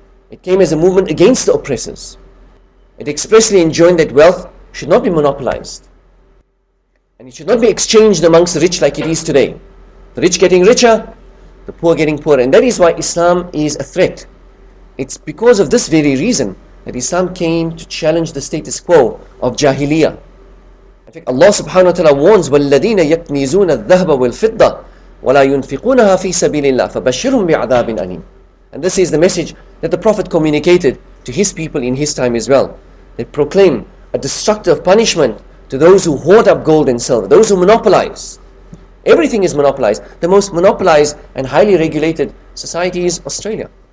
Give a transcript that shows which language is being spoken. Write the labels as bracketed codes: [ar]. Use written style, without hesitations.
[en] It came as a movement against the oppressors. It expressly enjoined that wealth should not be monopolized. And it should not be exchanged amongst the rich like it is today. The rich getting richer, the poor getting poorer. And that is why Islam is a threat. It's because of this very reason that Islam came to challenge the status quo of Jahiliyyah. Allah subhanahu wa ta'ala warns, [ar] وَالَّذِينَ يَكْنِزُونَ الذَّهْبَ وَالْفِضَّةِ وَلَا يُنْفِقُونَهَا فِي سَبِيلِ اللَّهِ فَبَشِّرْهُمْ بِعَذَابٍ أَلِيمٍ. [en] And this is the message that the Prophet communicated to his people in his time as well. They proclaim a destructive punishment to those who hoard up gold and silver, those who monopolize. Everything is monopolized. The most monopolized and highly regulated society is Australia.